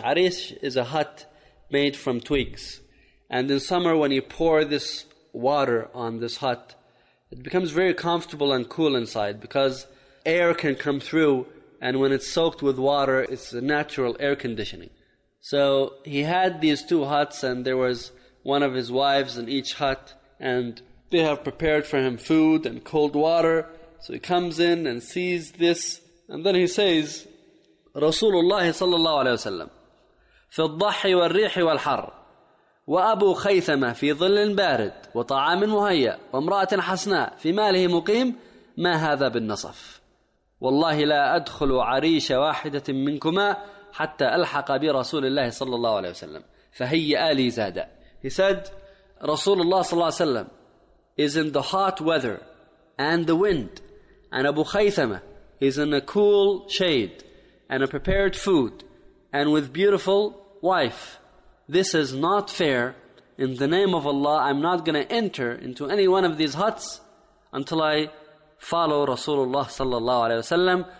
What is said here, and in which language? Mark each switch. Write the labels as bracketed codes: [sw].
[en] Arish is a hut made from twigs. And in summer when you pour this water on this hut, it becomes very comfortable and cool inside because air can come through, and when it's soaked with water, it's a natural air conditioning. So he had these two huts, and there was one of his wives in each hut, and they have prepared for him food and cold water. So he comes in and sees this, and then he says, [ar] Rasulullah sallallahu alayhi wa sallam, فالضحي والريح والحر وأبو خيثمة في ظل بارد وطعام مهيأ وامرأة حسناء في ماله مقيم ما هذا بالنصف والله لا أدخل عريش واحدة منكما حتى ألحق برسول الله صلى الله عليه وسلم فهيئ لي زادا. [en] He said, Rasulullah [ar] صلى الله عليه وسلم [en] is in the hot weather and the wind, and Abu Khaythama is in a cool shade and a prepared food and with beautiful wife. This is not fair. In the name of Allah, I'm not going to enter into any one of these huts until I follow Rasulullah sallallahu alayhi wasallam.